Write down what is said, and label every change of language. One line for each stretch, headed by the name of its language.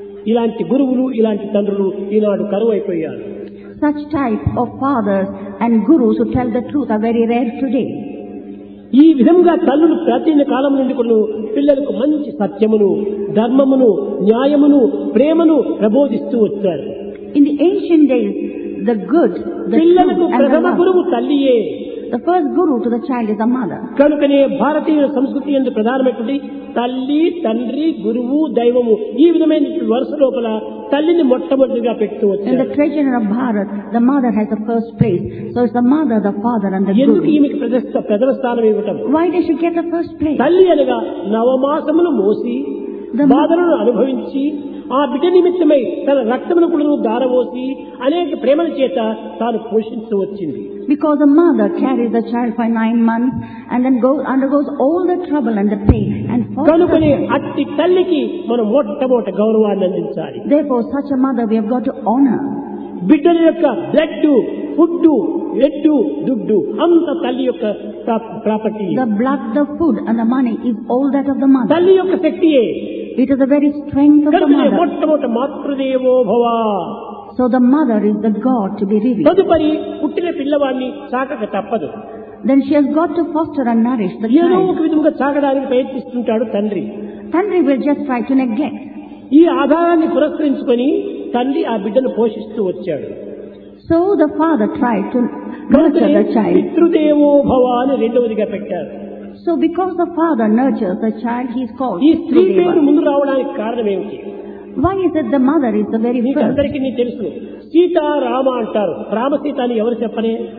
Telugu: ఇలాంటి గురువులు ఇలాంటి తండ్రులు ఈనాడు కరువు అయిపోయారు.
English: Such type of fathers and gurus who tell the truth are very rare today.
Telugu: ఈ విధంగా తల్లులు ప్రాచీన కాలం నుండి కూడా పిల్లలకు మంచి సత్యమును ధర్మమును న్యాయమును ప్రేమను ప్రబోధిస్తూ వచ్చారు.
English: In the ancient days the good
Telugu: పిల్లలకు ప్రథమ గురువు తల్లియే.
English: The first guru to the child is the mother.
Telugu: కనుకనే భారతీయ సంస్కృతి యందు ప్రధానమైనటువంటి తల్లి తండ్రి గురువు దైవము ఈ విధమైన వరుస లోపల తల్లిని మొట్టమొదటిగా పెట్టు వచ్చారు.
English: In the tradition of Bharat the mother has the first place. So it's the mother, the father and the guru.
Telugu: ఎందుకు ఈమెకు ప్రధమ స్థానం ఇవ్వటం?
English: Why does she get the first place?
Telugu: తల్లి అనగా నవమాసమును మోసి బాధలను అనుభవించి ఆ బిడ్డ నిమిత్తమై తన రక్తమును కూడా దారవోసి అనేక ప్రేమల చేత తాను పోషించు వచ్చింది.
English: Because the mother carries the child for 9 months and then undergoes all the trouble and the pain and for
Telugu: కనుకని అట్టి తల్లికి మనం మొట్టమొదట గౌరవాన్ని అందించాలి.
English: Therefore such a mother we have got to honor.
Telugu: బిడ్డ యొక్క
English: blood food
Telugu: ఎడ్డు దుడ్డు అంత తల్లి యొక్క property.
English: The blood, the food and the money is all that of the mother.
Telugu: తల్లి యొక్క శక్తియే.
English: It is the very strength of the mother.
Telugu: కనుక మొట్టమొదట మాతృదేవో భవ.
English: So the mother is the god to be revered.
Telugu: తదుపరి పుట్టిన పిల్లవాడిని సాకక తప్పదు.
English: then she has got to foster and nourish the child.
Telugu: ఏదో ఒక విధంగా సాగడానికి ప్రయత్నిస్తుంటాడు తండ్రి.
English: Tandri will just try to neglect.
Telugu: ఈ ఆధారాన్ని పురస్కరించుకొని తండ్రి ఆ బిడ్డను పోషిస్తూ వచ్చాడు.
English: So the father tried to nurture the child.
Telugu: పితృదేవో భవ అని రెండవదిగా పెట్టాడు.
English: So because the father nurtures the child, he is called.
Telugu: ఈ స్త్రీ పేరు ముందు రావడానికి కారణం ఏమిటి?
English: Why is it the mother is the very first?
Telugu: అందరికి ఇది తెలుసు. సీతా రామ అంటారు. రామ సీత అని ఎవరు చెప్పనే?